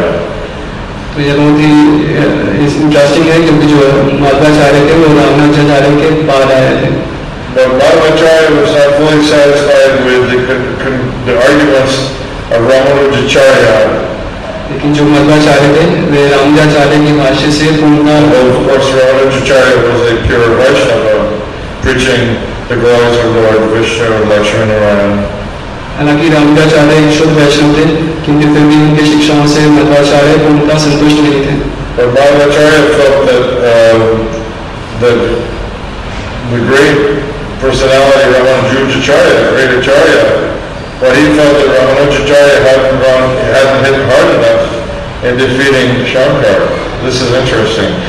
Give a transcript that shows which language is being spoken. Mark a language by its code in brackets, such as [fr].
[hi] तो ये बहुत ही इंटरेस्टिंग है क्योंकि जो मध्वाचार्य थे वो रामानुजाचार्य के बाद आए थे. [en] But Madhvacharya was not fully satisfied with the arguments of Ramanujacharya. [hi] लेकिन जो मध्वाचार्य थे वे रामानुजाचार्य के भाष्य से पूर्ण ना. [en] Of course, Ramanujacharya was a pure Vaishnava, preaching the glories of Lord Vishnu and Lakshmi Narayan. [hi] हालांकि रामानुजाचार्य एक शुद्ध वैष्णव थे किंतु फिर भी उनके शिक्षाओं से मध्वाचार्य पूर्णतः संतुष्ट नहीं थे. [en] But Bhattacharya felt that the great personality of Ramanujacharya, the great Acharya, but he felt that Ramanujacharya hadn't hit hard enough in defeating Shankara. This is interesting.